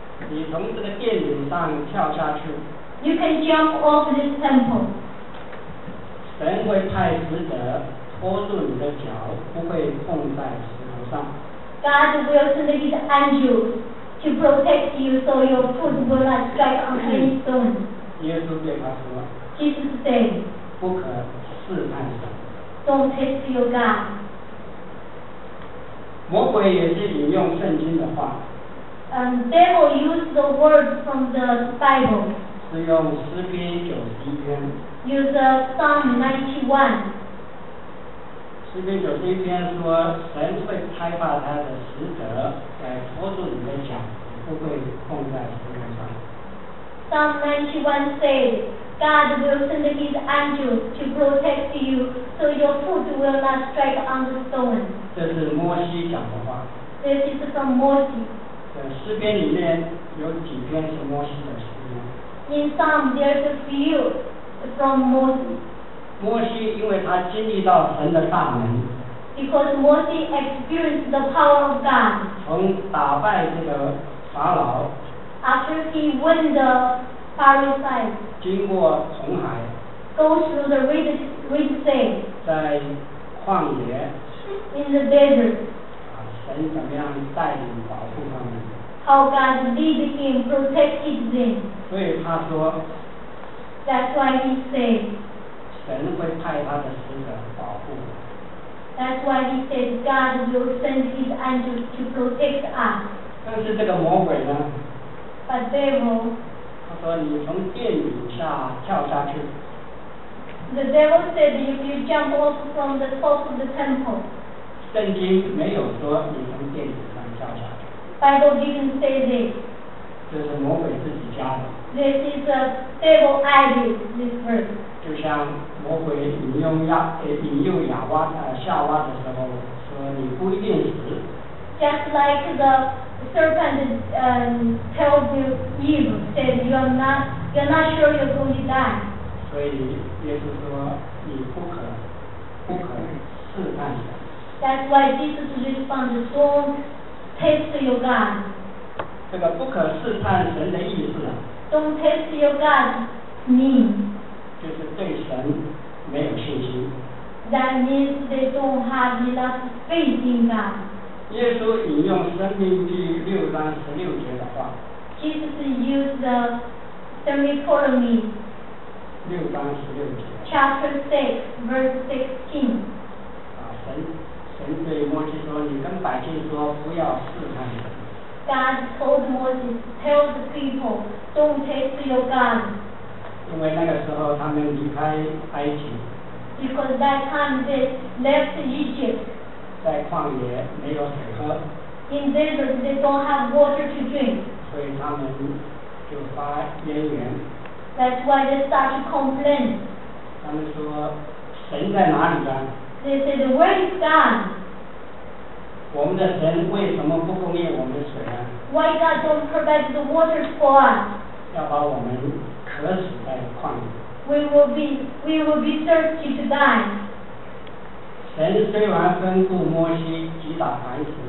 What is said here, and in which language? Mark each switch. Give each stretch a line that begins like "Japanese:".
Chinese: 你从这个殿顶上跳下去。
English: You can jump off this temple.
Chinese: 神会派使者拖住你的脚，不会碰在石头上。
English: God will send his angel. To protect you, so your foot will not strike on any stone.
Chinese: 耶稣对他说
English: Jesus said,
Chinese: 不可试探神。
English: Don't test your God.
Chinese: 魔鬼也是引用圣经的话。
English: Devil used the word from the Bible.
Chinese: 是用诗篇91篇。
English: Use Psalm 91.
Chinese: 诗篇91篇说，神会差派他的使者。拖住你的脚，不会碰在石头上。
English: Psalm 91 says, God will send his angels to protect you, so your foot will not strike on the stone.
Chinese: 这是摩西讲的话。
English: This is from Moses.
Chinese: 在诗篇里面有几篇是摩西的诗篇。
English: In Psalm, there's a few from Moses.
Chinese: 摩西因为他经历到神的大能。
English: Because Moses experienced the power of God.
Chinese: 从打败这个法老。
English: After he won the Pharaoh's side.
Chinese: 经过红海。
English: Go through the Red Sea.
Chinese: 在旷野。
English: In the desert.
Chinese: 神怎么样带领保护他们
English: ？How God lead him, protected them.
Chinese: 所以他说。
English: That's why he said.
Chinese: 神会派他的使者保护。
English: That's why he said God will send his angels to protect us.
Chinese: 但是这个魔鬼呢？
English: But devil.
Chinese: 他说你从殿顶下跳下去。
English: The devil said if you jump off from the top of the temple.
Chinese: 圣经没有说你从殿顶上跳下去。
English: Bible didn't say this.
Chinese: 这是魔鬼自己加的。
English: This is a devil idea, this verse.
Chinese: 就像魔鬼引诱亚娃夏娃的时候说你不一定死。
English: Just like the serpent told Eve, said you're not sure you're going to die.
Chinese: 所以耶稣说你不可试探神。
English: That's why Jesus responded, "Don't test your God."
Chinese: 这个不可试探神的意思。
English: Don't test your God means.
Chinese: 就是对神没有信心。
English: That means they don't have enough faith in God.
Chinese: 耶稣引用《生命》第六章十六节的话。
English: Jesus used the semicolon.
Chinese: 六章十六节。
English: Chapter 6, verse 16.
Chinese: 啊，神对摩西说：“你跟百姓说，不要试探神。”
English: God told Moses, "Tell the people, don't test your God."
Chinese: 因为那个时候他们离开埃及。
English: Because that time they left Egypt.
Chinese: 在旷野没有水喝。
English: In desert, they don't have water to drink.
Chinese: 所以他们就发怨言。
English: That's why they start to complain.
Chinese: 他们说神在哪里呢？
English: They said, where is God?
Chinese: 我们的神为什么不供应我们的水啊？
English: Why God don't provide the water for us?
Chinese: 要把我们渴死在旷野。
English: We will be thirsty to die.
Chinese: 神虽然吩咐摩西击打磐石。